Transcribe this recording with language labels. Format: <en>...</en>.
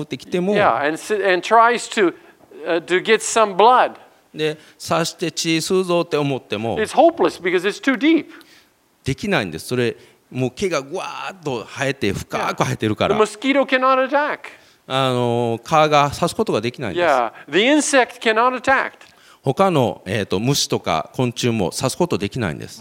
<en>and tries to get some blood.</en> <ja>で、刺して血吸うぞって思っても、</ja> <en>it's hopeless because it's too deep.</en> <ja>できないんです。それもう毛がぐわーっと生えて深く生えてるから。</ja> <en>The mosquito cannot attack.</en> <ja>あの、カーが刺すことができないんです。</ja> <en>Yeah, the insect cannot attack.</en> <ja>他の、虫とか昆虫も刺すことできないんです。</ja>